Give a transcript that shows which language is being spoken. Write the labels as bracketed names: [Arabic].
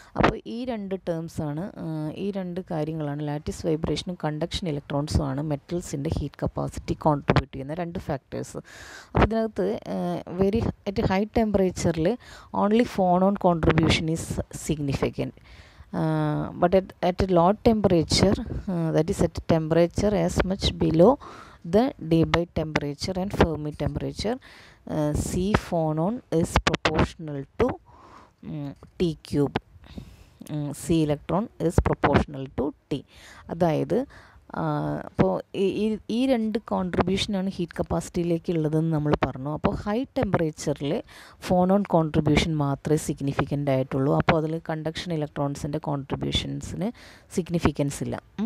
[Malayalam] അപ്പോൾ ഈ രണ്ട് ടേംസാണ്, ഈ രണ്ട് കാര്യങ്ങളാണ് ലാറ്റിസ് വൈബ്രേഷനും കണ്ടക്ഷൻ ഇലക്ട്രോൺസും ആണ് മെറ്റൽസിൻ്റെ ഹീറ്റ് കപ്പാസിറ്റി കോൺട്രിബ്യൂട്ട് ചെയ്യുന്ന രണ്ട് ഫാക്ടേഴ്സ്. അപ്പോൾ ഇതിനകത്ത് [English] Very at high ടെമ്പറേച്ചറിൽ only phonon contribution is significant. But at a low temperature, that is at a temperature as much below the Debye temperature and Fermi temperature, C phonon is proportional to T cube. C electron is proportional to T. [Malayalam] അതായത് അപ്പോൾ ഈ രണ്ട് കോൺട്രിബ്യൂഷനാണ് heat കപ്പാസിറ്റിയിലേക്ക് ഉള്ളതെന്ന് നമ്മൾ പറഞ്ഞു. അപ്പോൾ high ടെമ്പറേച്ചറിൽ ഫോണോൺ contribution മാത്രമേ സിഗ്നിഫിക്കൻ്റ് ആയിട്ടുള്ളൂ. അപ്പോൾ അതിൽ കണ്ടക്ഷൻ ഇലക്ട്രോൺസിൻ്റെ കോൺട്രിബ്യൂഷൻസിന് സിഗ്നിഫിക്കൻസ് ഇല്ല.